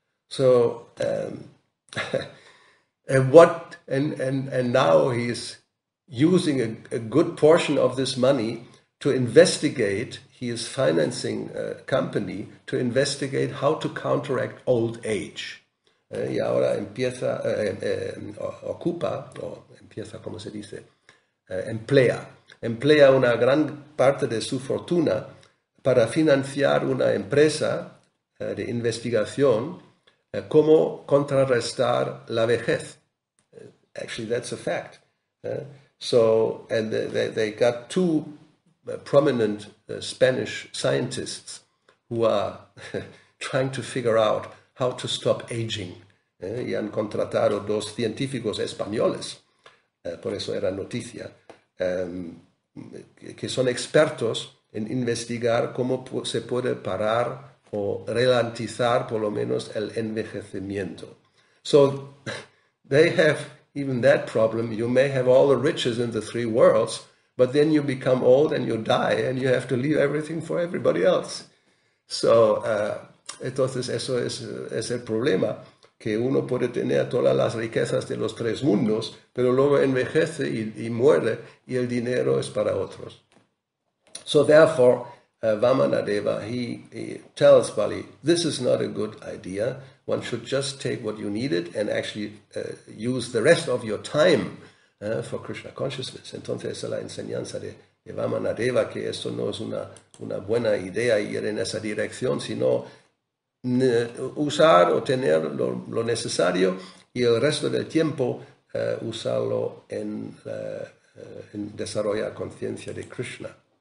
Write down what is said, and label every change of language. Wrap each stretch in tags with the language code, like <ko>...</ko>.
<en>So and now he's using a good portion of this money to investigate. He is financing a company to investigate how to counteract old age.</en> <es>Y ahora empieza ocupa o empieza como se dice emplea una gran parte de su fortuna para financiar una empresa de investigación, cómo contrarrestar la vejez.</es> <en>Actually, that's a fact. So, and they got two prominent Spanish scientists who are trying to figure out how to stop aging.</en> <es>Y han contratado dos científicos españoles, por eso era noticia, que son expertos en investigar cómo se puede parar o ralentizar por lo menos el envejecimiento.</es> <en>So they have even that problem. You may have all the riches in the three worlds, but then you become old and you die and you have to leave everything for everybody else.</en> <es>So entonces eso es el problema, que uno puede tener todas las riquezas de los tres mundos, pero luego envejece y muere y el dinero es para otros.</es> <en>So therefore, Vamanadeva, he tells Bali, this is not a good idea. One should just take what you needed and actually use the rest of your time for Krishna consciousness.</en> <es>Entonces, esa es la enseñanza de Vamanadeva, que esto no es una buena idea ir en esa dirección, sino usar o tener lo necesario y el resto del tiempo usarlo en desarrollar conciencia de Krishna.</es>